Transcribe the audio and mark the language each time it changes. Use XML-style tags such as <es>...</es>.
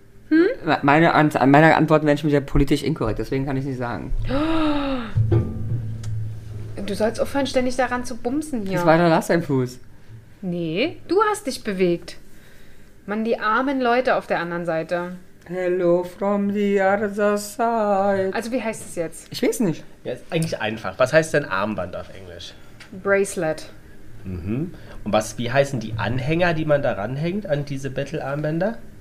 <de>Hm? Meine Antworten werden schon wieder politisch inkorrekt, deswegen kann ich nicht sagen. Du sollst aufhören, ständig daran zu bumsen hier. Das war doch Lars sein Fuß. Nee, du hast dich bewegt. Mann, die armen Leute auf der anderen Seite.</de> <en>Hello from the other side.</en> <de>Also wie heißt es jetzt? Ich weiß nicht. Ja, ist eigentlich einfach. Was heißt denn Armband auf Englisch?</de> <en>Bracelet. Mhm.</en> <de>Und wie heißen die Anhänger, die man da ranhängt an diese Battle-Armbänder?</de>